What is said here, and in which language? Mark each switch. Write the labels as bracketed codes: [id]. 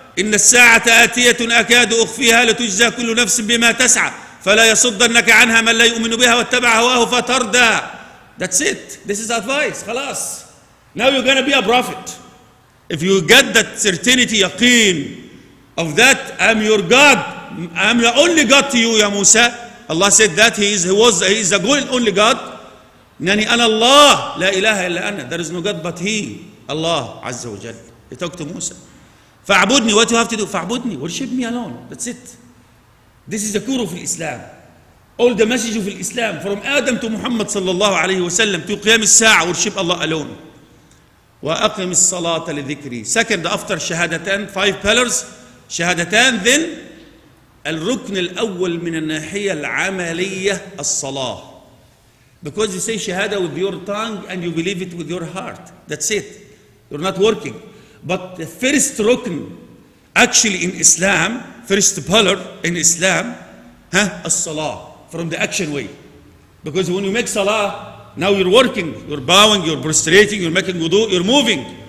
[ar] إن الساعة آتية أكاد أخفيها لتجزى كل نفس بما تسعى فلا يصدنك عنها من لا يؤمن بها واتبع هواه فتردى. [en] That's it. This is advice. خلاص. Now you're gonna be a prophet. If you get that certainty, يقين of that I'm your God, I'm the only God to you, يا موسى. Allah said that he is the good only God. [ar] إنني أنا الله لا إله إلا أنا. [en] There is no God but He. Allah عز وجل. He talked to Musa. فاعبدني. What you have to do? فاعبدني. Worship me alone. That's it. This is the core of Islam. All the message of Islam from Adam to Muhammad صلى الله عليه وسلم to قيام الساعة. Worship Allah alone. [ar] وأقم الصلاة لذكري. Second, after شهادتان, five pillars, شهادتان, then الركن الأول من الناحية العملية الصلاة. [en] Because you say شهادة with your tongue and you believe it with your heart. That's it. You're not working. But the first rukn actually in Islam, first pillar in Islam, as-salah, from the action way. Because when you make salah, now you're working, you're bowing, you're prostrating, you're making wudu, you're moving.